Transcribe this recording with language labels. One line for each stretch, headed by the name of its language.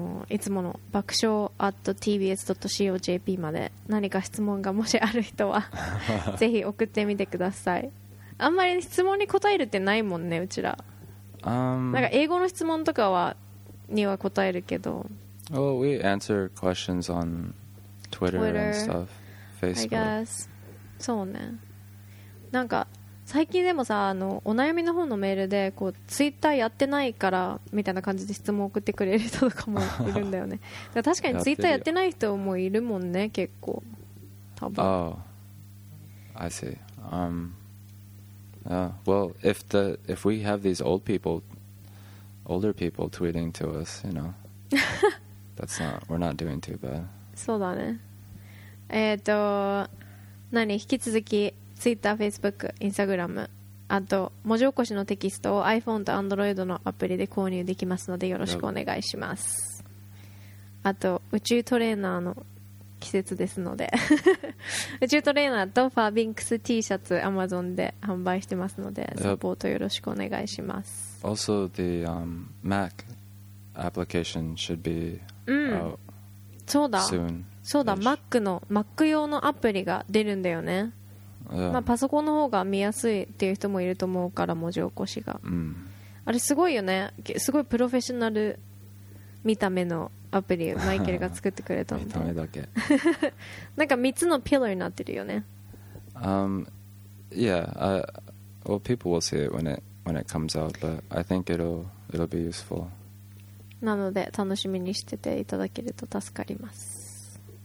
Japanese: いつもの爆笑 @tbs.co.jp まで何か質問がもしある人はぜひ送ってみてください。あんまり質問に答えるってないもんね、うちら。なんか英語の質問とかはには答えるけど。
English: Oh, we answer questions on Twitter and stuff, Facebook. I guess.
Japanese: そうね。なんか最近でもさ、お悩みの方のメールでこう Twitter やってないからみたいな感じで質問送ってくれる人とかもいるんだよね。だから確かに Twitter やってない人もいるもんね、結構。多分。
English: Oh, I see. Well, if we have these old people, older people tweeting to us, you know, that's not, we're not doing too bad.
Japanese: そうだね。何、引き続き Twitter、Facebook、Instagram、あと文字起こしのテキストを iPhone と Android のアプリで購入できますのでよろしくお願いします。
English: Yep.
Japanese: あと宇宙トレーナーの季節ですので宇宙トレーナーとファービンクス T シャツ Amazon で販売してますのでサポートよろしくお願いします。
English: Also the Mac application should be out soon.
Japanese: そうだ Mac の Mac 用のアプリが出るんだよね。まあパソコンの方が見やすいっていう人もいると思うから、文字起こしが、あれすごいよね、すごいプロフェッショナル見た目のアプリ、マイケルが作ってくれたんだ。見た目だけ。なんか3つのピラーになってるよね。
English: Yeah, well, people will see it when it comes out, but I think it'll be useful.
Japanese: なので楽しみにしてていただけると助かります。